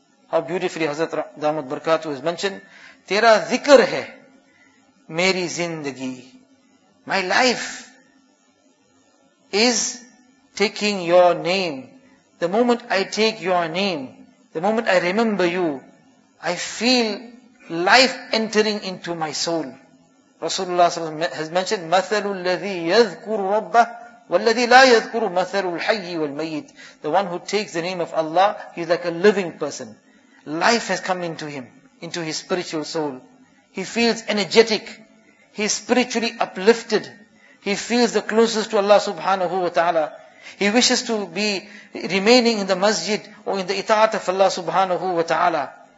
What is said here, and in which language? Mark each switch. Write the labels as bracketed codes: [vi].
[en] How beautifully Hazrat Damat Barakatuh has mentioned, [ur] tera dhikr hai meri zindagi. [en] My life is taking your name. The moment I take your name, the moment I remember you, I feel life entering into my soul. Rasulullah has mentioned, [ar] مَثَلُ الَّذِي يَذْكُرُ رَبَّهُ وَالَّذِي لَا يَذْكُرُ مَثَلُ الْحَيِّ وَالْمَيِّتِ. [en] The one who takes the name of Allah, he's like a living person. Life has come into him, into his spiritual soul. He feels energetic. He's spiritually uplifted. He feels the closest to Allah subhanahu wa ta'ala. He wishes to be remaining in the masjid or in the itaat of Allah subhanahu wa ta'ala.